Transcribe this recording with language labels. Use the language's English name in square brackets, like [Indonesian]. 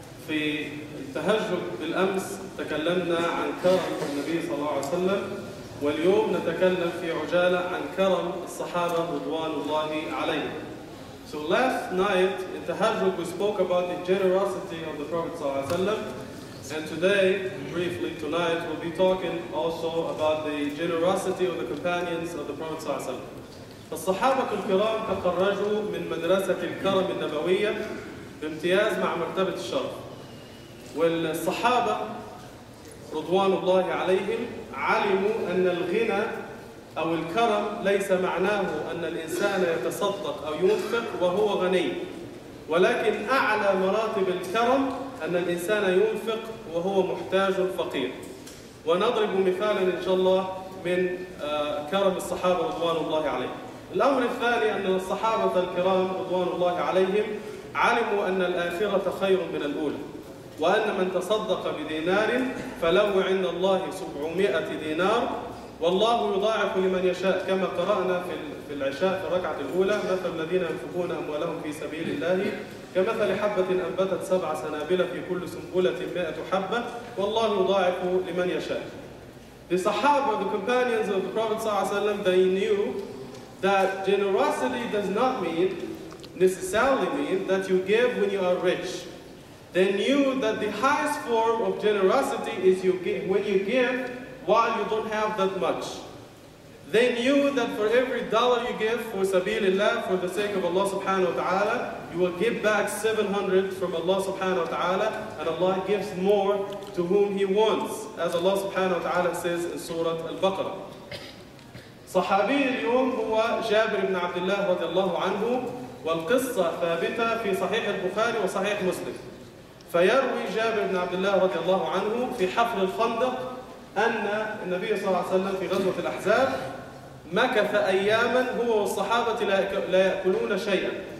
[Arabic] في التهجد بالأمس تكلمنا عن كرم النبي صلى الله عليه وسلم، واليوم نتكلم في عجالة عن كرم الصحابة رضوان الله عليهم. [English] So last night in التهجد we spoke about the generosity of the Prophet [Arabic] صلى الله عليه وسلم، [English] and today briefly tonight we'll be talking also about the generosity of the companions of the Prophet صلى الله عليه وسلم. [Arabic] فالصحابة الكرام تخرجوا من مدرسة الكرم النبوية بامتياز مع مرتبة الشرف. والصحابة رضوان الله عليهم علموا أن الغنى أو الكرم ليس معناه أن الإنسان يتصدق أو ينفق وهو غني، ولكن أعلى مراتب الكرم أن الإنسان ينفق وهو محتاج فقير. ونضرب مثالا إن شاء الله من كرم الصحابة رضوان الله عليهم. الأمر الثاني أن الصحابة الكرام رضوان الله عليهم علموا أن الآخرة خير من الأولى، وأن من تصدق بدينار فله عند الله 700 دينار، والله يضاعف لمن يشاء، كما قرأنا في العشاء في الركعة الأولى: مثل الذين ينفقون أموالهم في سبيل الله كمثل حبة أنبتت سبع سنابل في كل سنبلة 100 حبة والله يضاعف لمن يشاء. [English] The Sahaba, the companions of the Prophet [Arabic] صلى الله عليه وسلم, [English] they knew that generosity does not mean, necessarily mean, that you give when you are rich. They knew that the highest form of generosity is you give, when you give while you don't have that much. They knew that for every dollar you give for sabilillah, for the sake of Allah subhanahu wa ta'ala, you will give back 700 from Allah subhanahu wa ta'ala, and Allah gives more to whom He wants, as Allah subhanahu wa ta'ala says in Surah Al-Baqarah. [Arabic] صحابي اليوم هو جابر بن عبد الله رضي الله عنه، والقصة ثابتة في صحيح البخاري وصحيح مسلم. فيروي جابر بن عبد الله رضي الله عنه في حفر الخندق أن النبي صلى الله عليه وسلم في غزوة الأحزاب مكث أياما هو والصحابة لا يأكلون شيئا.